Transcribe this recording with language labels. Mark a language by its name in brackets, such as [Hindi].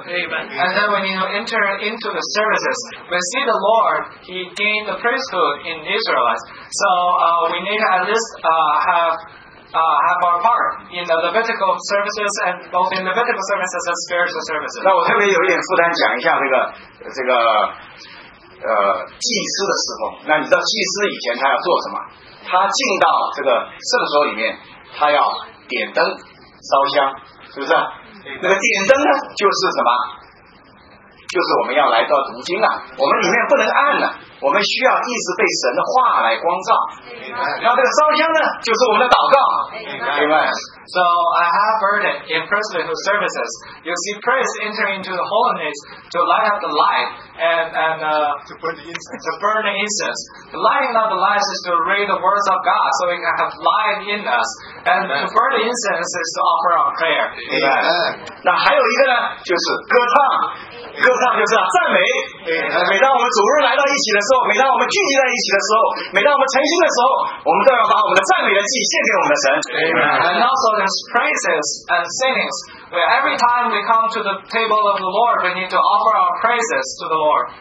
[English] Amen. And then when you enter into the services, we see the Lord, he gained the priesthood in Israelites. So we need at least have our part in the Levitical services and both in Levitical services and spiritual services. [Chinese] 那我特别有一点负担，讲一下这个祭司的侍奉。那你知道祭司以前他要做什么？他进到这个圣所里面，他要点灯烧香，是不是？那个点灯呢，就是什么？就是我们要来到读经啊，我们里面不能暗了，我们需要一直被神的话来光照。然后这个烧香呢，就是我们的祷告。 [English] Amen. So I have heard it in priesthood services. You see priests enter into the holiness to light up the light and to burn the incense. The lighting of the light is to read the words of God so we can have light in us. And to burn the incense is to offer our prayer. Amen. [Chinese] 那还有一个呢，就是歌唱。歌唱就是啊，赞美。每当我们主日来到一起的时候，每当我们聚集在一起的时候，每当我们诚心的时候，我们都要把我们的赞美的祭献给我们的神。 [English] Amen. And also there's praises and singings. Where every time we come to the table of the Lord, we need to offer our praises to the Lord.